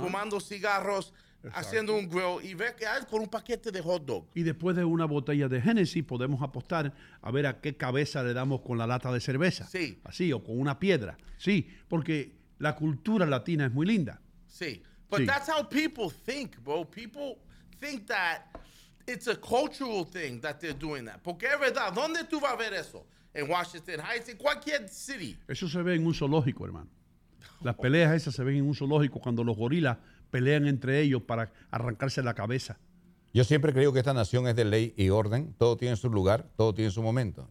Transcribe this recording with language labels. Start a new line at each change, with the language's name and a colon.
Spanish: fumando cigarros. Exacto. Haciendo un grill y ve que hay con un paquete de hot dog. Y después de una botella de Hennessy podemos apostar a ver a qué cabeza le damos con la lata de cerveza. Sí. Así, o con una piedra. Sí, porque la cultura latina es muy linda.
English: Sí. But that's how people think, bro. People think that it's a cultural thing that they're doing that.
Spanish: Porque es verdad, ¿dónde tú vas a ver eso? En Washington Heights, en cualquier city. Eso se ve en un zoológico, hermano. Las peleas esas se ven en un zoológico cuando los gorilas pelean entre ellos para arrancarse la cabeza. Yo siempre creo que esta nación es de ley y orden. Todo tiene su lugar, todo tiene su momento.